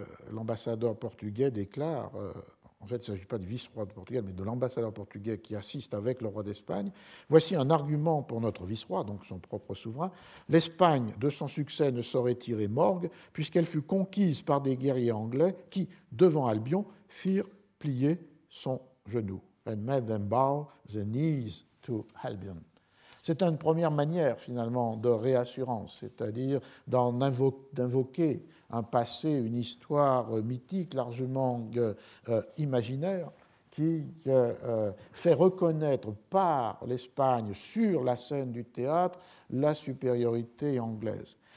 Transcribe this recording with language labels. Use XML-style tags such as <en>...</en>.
<fr>L'ambassadeur portugais déclare, en fait, il ne s'agit pas du vice-roi de Portugal, mais de l'ambassadeur portugais qui assiste avec le roi d'Espagne. Voici un argument pour notre vice-roi, donc son propre souverain. L'Espagne, de son succès, ne saurait tirer morgue, puisqu'elle fut conquise par des guerriers anglais qui, devant Albion, firent plier son genou.</fr> <en>And made them bow the knees to Albion.</en> <fr>C'est une première manière, finalement, de réassurance, c'est-à-dire d'invoquer un passé, une histoire mythique, largement imaginaire, qui fait reconnaître par l'Espagne, sur la scène du théâtre, la supériorité anglaise.</fr>